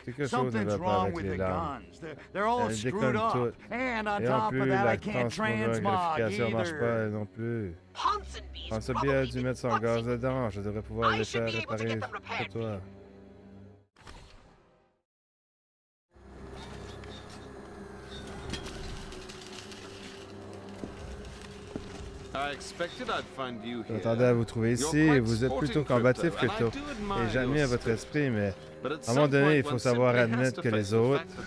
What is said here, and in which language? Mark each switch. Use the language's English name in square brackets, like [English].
[French] Quelque chose ne va pas avec les armes. [English] They're all screwed up. And on top of that, I can't transmog either. [French] Marche pas non plus. On se bien dû mettre son gaz dedans. Je devrais pouvoir le faire réparer pour toi. Je m'attendais à vous trouver ici, et vous êtes plutôt combatif que tout, et j'admire votre esprit, mais à un moment donné, il faut savoir admettre que les autres...